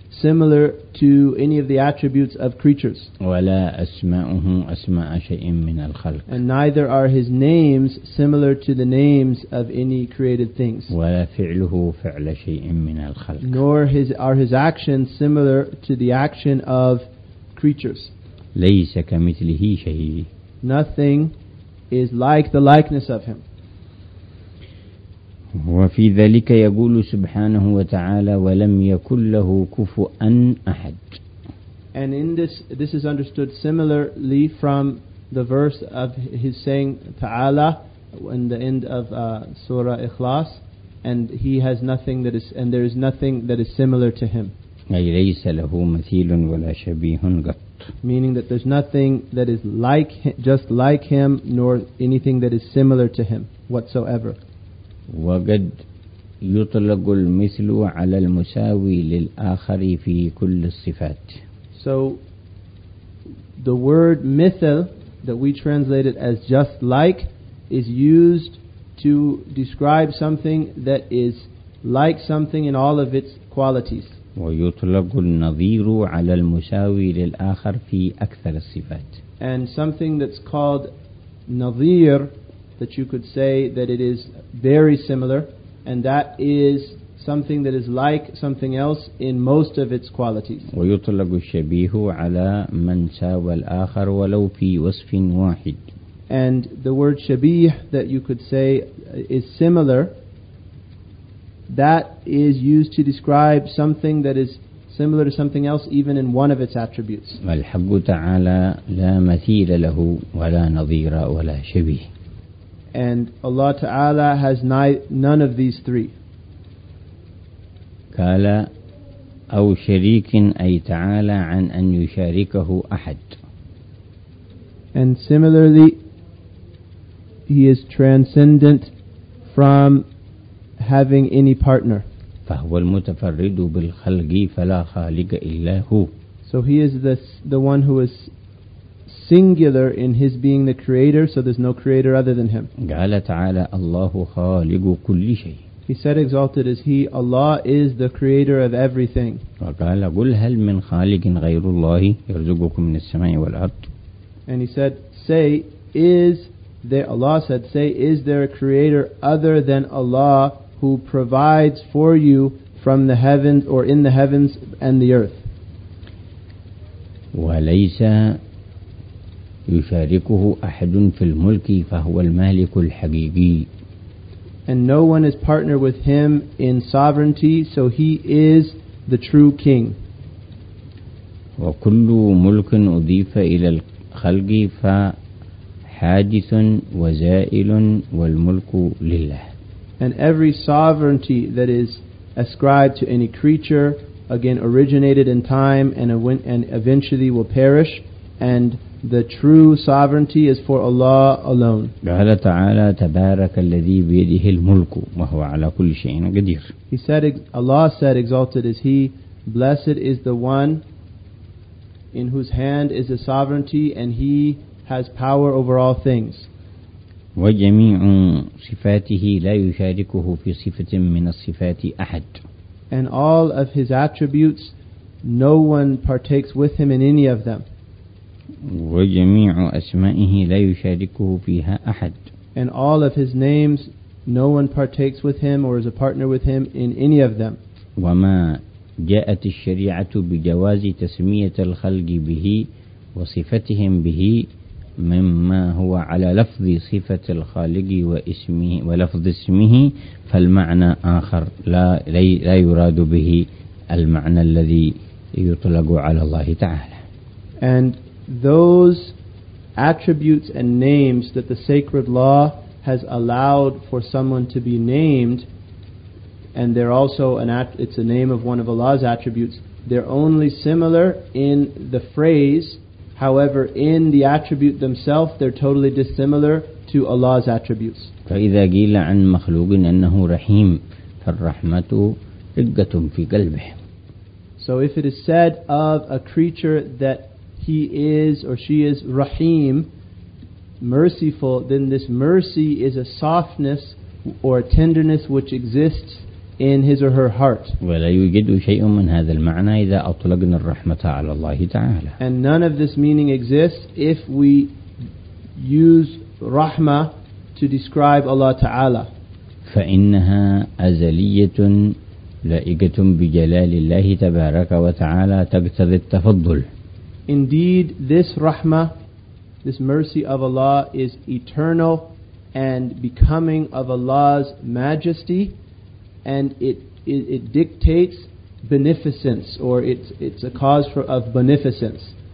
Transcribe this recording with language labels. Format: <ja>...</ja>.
<en>similar to any of the attributes of creatures.</en> <ar>ولا أسماؤه أسماء شيء من الخلق.</ar> <en>And neither are his names similar to the names of any created things.</en> <ar>ولا فعله فعل شيء من الخلق.</ar> <en>Nor are his actions similar to the action of creatures.</en> <ar>ليس كمثله شيء.</ar> <en>Nothing is like the likeness of him.</en> <ar>وفي ذلك يقول سبحانه وتعالى ولم يكن له كفوا أحد.</ar> <en>And in this is understood similarly from the verse of his saying تعالى in the end of Surah Ikhlas, and he has nothing that is and there is nothing that is similar to him.</en> <ar>أي ليس له مثيل ولا شبيه قط.</ar> <en>Meaning that there's nothing that is like just like him, nor anything that is similar to him whatsoever.</en> <ar>وقد يطلق المثل على المساوي للآخر في كل الصفات.</ar> <en>So the word مثل that we translated as just like is used to describe something that is like something in all of its qualities.</en> <ar>ويطلق النظير على المساوي للآخر في أكثر الصفات.</ar> <en>And something that's called نظير, that you could say that it is very similar, and that is something that is like something else in most of its qualities.</en> <ar>ويطلق الشبيه على من ساوى الآخر ولو في وصف واحد.</ar> <en>And the word شبيه that you could say is similar, that is used to describe something that is similar to something else even in one of its attributes.</en> <ar>والحق تعالى لا مثيل له ولا نظير ولا شبيه.</ar> <en>And Allah Ta'ala has none of these three.</en> <ar>قال أو شريك أي تعالى عن أن يشاركه أحد.</ar> <en>And similarly, he is transcendent from having any partner.</en> <ar>فهو المتفرد بالخلق فلا خالق إلا هو.</ar> <en>So he is the one who is singular in his being the creator, so there's no creator other than him.</en> <ar>قال تعالى الله خالق كل شيء.</ar> <en>He said, exalted is he, Allah is the creator of everything.</en> <ar>وقال قل هل من خالق غير الله يرزقكم من السماء والأرض.</ar> <en>And he said, say, is there, Allah said, say, is there a creator other than Allah who provides for you from the heavens or in the heavens and the earth?</en> <ar>وليس يشاركه أحد في الملك فهو المالك الحقيقي.</ar> <en>And no one is partner with him in sovereignty, so he is the true king.</en> <ar>وكل ملك أضيف إلى الخلق فحادث وزائل والملك لله.</ar> <en>And every sovereignty that is ascribed to any creature, again originated in time and eventually will perish, and the true sovereignty is for Allah alone.</en> <ar>قال تعالى تبارك الذي بيده الملك وهو على كل شيء قدير.</ar> <en>He said, Allah said, exalted is he, blessed is the one in whose hand is the sovereignty and he has power over all things.</en> <ar>وجميع صفاته لا يشاركه في صفة من الصفات أحد.</ar> <en>And all of his attributes, no one partakes with him in any of them.</en> <ar>وجميع أسمائه لا يشاركه فيها أحد.</ar> <en>And all of his names, no one partakes with him or is a partner with him in any of them.</en> <ar>وما جاءت الشريعة بجواز تسمية الخلق به وصفتهم به مما هو على لفظ صفة الخالق واسمه ولفظ اسمه فالمعنى آخر لا يراد به المعنى الذي يطلق على الله تعالى.</ar> <en>And those attributes and names that the sacred law has allowed for someone to be named, and they're also it's a name of one of Allah's attributes, they're only similar in the phrase. However, in the attribute themselves, they're totally dissimilar to Allah's attributes.</en> <ar>فَإِذَا قِيلَ عَنْ مَخْلُوقٍ أَنَّهُ رَحِيمٌ فَالرَّحْمَةُ رِقَّةٌ فِي قَلْبِهِ.</ar> <en>So if it is said of a creature that he is or she is Rahim, merciful, then this mercy is a softness or a tenderness which exists in his or her heart.</en> <ar>ولا يوجد شيء من هذا المعنى إذا أطلقنا الرحمة على الله تعالى.</ar> <en>And none of this meaning exists if we use رحمة to describe Allah تعالى.</en> <ar>فإنها أزلية لائقة بجلال الله تبارك وتعالى تقتضي التفضل.</ar> <en>Indeed, this rahmah, this mercy of Allah is eternal and becoming of Allah's majesty, and it dictates beneficence, or it's a cause of beneficence.</en>